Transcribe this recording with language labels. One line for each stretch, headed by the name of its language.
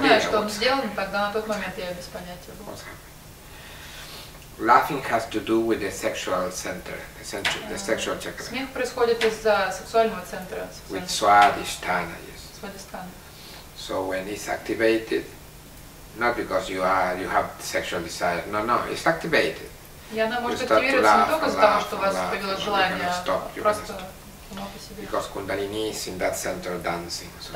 Russian: Сейчас я уже знаю, что он сделал, тогда на тот момент я без понятия был.
English: What's happening? Laughing has to do with the sexual center, the sexual chakra.
Russian: Смех происходит из-за сексуального центра.
English: With Swadhisthana, yes. Swadhisthana. So when it's activated, not because you have sexual desire, no, it's activated. You start to laugh, you cannot stop, because Kundalini is in that center dancing.